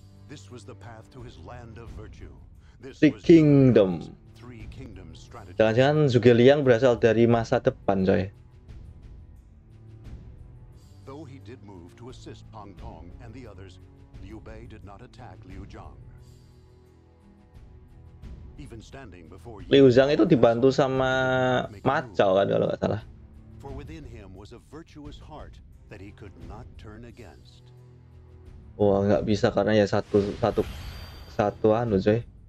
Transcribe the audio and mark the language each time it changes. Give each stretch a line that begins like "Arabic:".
English: This was the path to his land of virtue. The kingdom.
Indonesian: Jangan-jangan Zhuge Liang berasal dari masa depan, coy.
English: Though he did move to assist Pang Tong and the others, Liu Bei did not attack Liu Zhang. Even standing before Liu Zhang
Indonesian: itu dibantu sama Macau kan kalau enggak salah.
English: For within him was a virtuous heart that he could not turn against.
Indonesian: Wah, enggak bisa karena ya satu anu, coy.